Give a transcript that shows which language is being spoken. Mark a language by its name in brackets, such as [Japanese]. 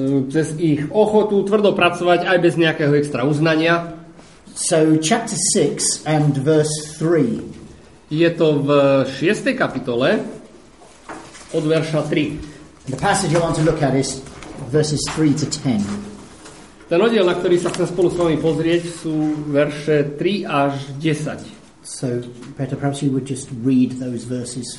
[Slovak] Cez ich ochotu tvrdo pracovať aj bez nejakého extra uznania. [English] So chapter 6 and verse 3. [Slovak] Je to v 6. kapitole od verša 3. [English] The passage I want to look at is verses 3 to 10. [Slovak] Ten oddiel, na ktorý sa chcem spolu s vami pozrieť, sú verše 3 až 10. [English] So Peter, perhaps you would just read those verses.